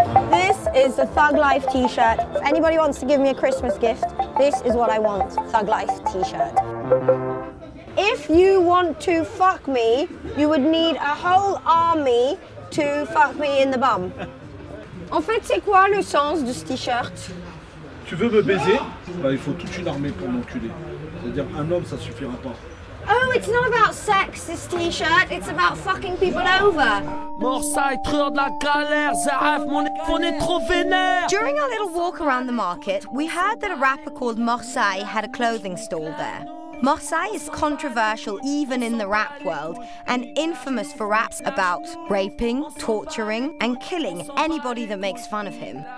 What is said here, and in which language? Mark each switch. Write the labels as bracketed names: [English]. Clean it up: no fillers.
[English] This is the Thug Life t-shirt. If anybody wants to give me a Christmas gift, this is what I want, Thug Life t-shirt. If you want to fuck me, you would need a whole army to fuck me in the bum. [French] En fait, c'est quoi le sens de ce t-shirt? Tu veux me baiser? Bah, il faut toute une armée pour m'enculer. C'est-à-dire, un homme, ça suffira pas. [English] Oh, it's not about sex, this t-shirt. It's about fucking people over. [French] Morsay, trueur de la galère, Zaref, mon iPhone est trop vénère. [English] During our little walk around the market, we heard that a rapper called Morsay had a clothing stall there. Morsay is controversial even in the rap world and infamous for raps about raping, torturing, and killing anybody that makes fun of him.